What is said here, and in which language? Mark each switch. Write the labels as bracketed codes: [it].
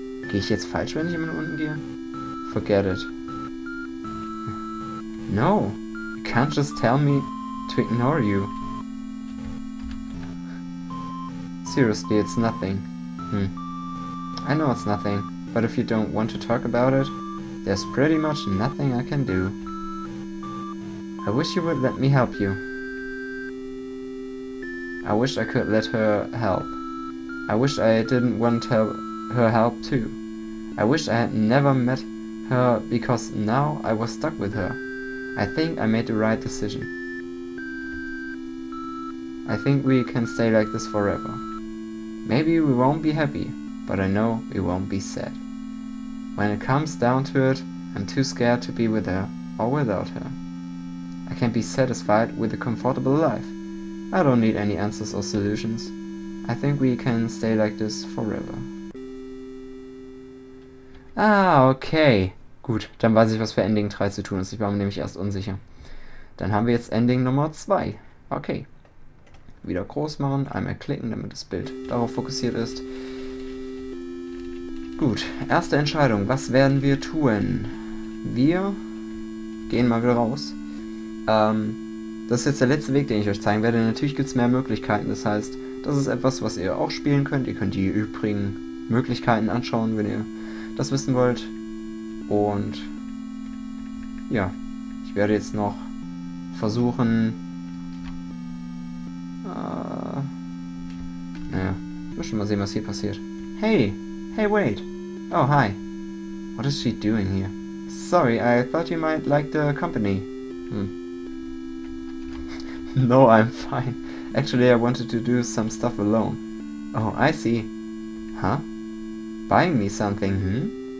[de] gehe ich jetzt falsch, wenn ich immer unten gehe? [en] Forget it. No, you can't just tell me to ignore you. Seriously, it's nothing. Hmm. I know it's nothing, but if you don't want to talk about it, there's pretty much nothing I can do. I wish you would let me help you. I wish I could let her help. I wish I didn't want her help too. I wish I had never met her because now I was stuck with her. I think I made the right decision. I think we can stay like this forever. Maybe we won't be happy, but I know we won't be sad. When it comes down to it, I'm too scared to be with her or without her. I can't be satisfied with a comfortable life. I don't need any answers or solutions. I think we can stay like this forever. Ah, okay. [de] Gut, dann weiß ich, was für Ending 3 zu tun ist. Ich war mir nämlich erst unsicher. Dann haben wir jetzt Ending Nummer 2. Okay. Wieder groß machen, einmal klicken, damit das Bild darauf fokussiert ist. Gut, erste Entscheidung. Was werden wir tun? Wir gehen mal wieder raus. Das ist jetzt der letzte Weg, den ich euch zeigen werde. Natürlich gibt es mehr Möglichkeiten. Das heißt, das ist etwas, was ihr auch spielen könnt. Ihr könnt die übrigen Möglichkeiten anschauen, wenn ihr das wissen wollt. Und ja, ich werde jetzt noch versuchen, naja, ich muss schon mal sehen, was hier passiert. [en] Hey, hey, wait. Oh, hi. What is she doing here? Sorry, I thought you might like the company. Hm. No, I'm fine. Actually, I wanted to do some stuff alone. Oh, I see. Huh? Buying me something, hmm?